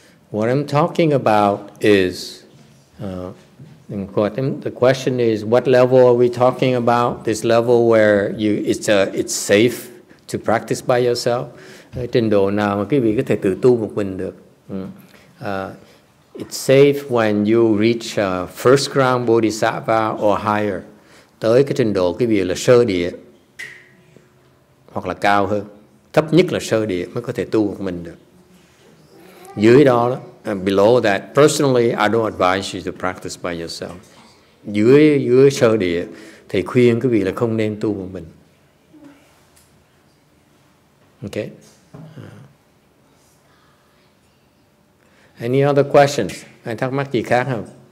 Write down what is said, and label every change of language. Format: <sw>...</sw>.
<en>What I'm talking about is, the question is, what level are we talking about? This level where it's safe to practice by yourself.</en> <vi>Trình độ nào mà quý vị có thể tự tu một mình được? It's safe when you reach first ground bodhisattva or higher. Tới cái trình độ quý vị là sơ địa hoặc là cao hơn. thấp nhất là sơ địa mới có thể tu của mình được. Dưới đó,</vi> <en>below that, personally, I don't advise you to practice by yourself.</en> <vi>Dưới sơ địa, thầy khuyên quý vị là không nên tu của mình.</vi> <en>Ok. Any other questions?</en> <vi>Anh thắc mắc gì khác không?</vi>